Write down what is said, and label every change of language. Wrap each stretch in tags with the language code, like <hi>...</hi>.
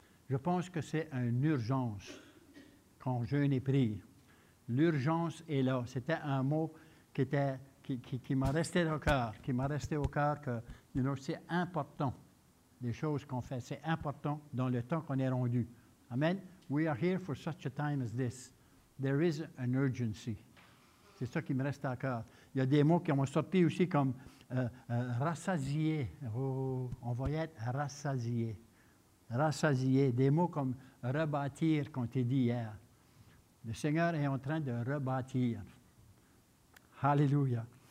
<fr>Je pense que c'est une urgence quand jeûne et prie. L'urgence est là. C'était un mot qui était, qui m'a resté au cœur, que you know, c'est important, les choses qu'on fait, c'est important dans le temps qu'on est rendu. Amen.</fr> <en>We are here for such a time as this. There is an urgency.</en> <fr>C'est ça qui me reste à cœur. Il y a des mots qui m'ont sorti aussi comme rassasié. Oh, on va y être rassasié. Rassasié. Des mots comme rebâtir, qu'on t'a dit hier. Le Seigneur est en train de rebâtir. Alléluia.</fr>